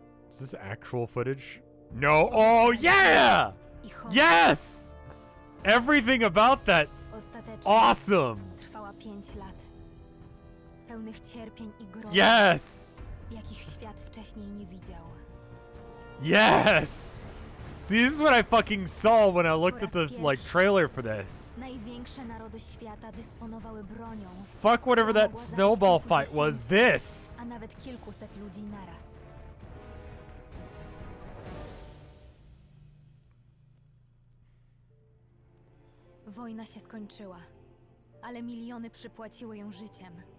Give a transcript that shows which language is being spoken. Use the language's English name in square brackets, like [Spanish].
[English] Is this actual footage? No. Oh, yeah! Yes! Everything about that's awesome! [Polish] Trwała 5 lat. Pełnych cierpień i grozy. [English] Yes! [Polish] Jakich świat wcześniej nie widział. [English] Yes! See, this is what I fucking saw when I looked at the, like, trailer for this. [Polish] Największe narody świata dysponowały bronią. [English] Fuck whatever that snowball fight was, this! [Polish] A nawet kilkuset ludzi naraz. Wojna się skończyła, ale miliony przypłaciły ją życiem.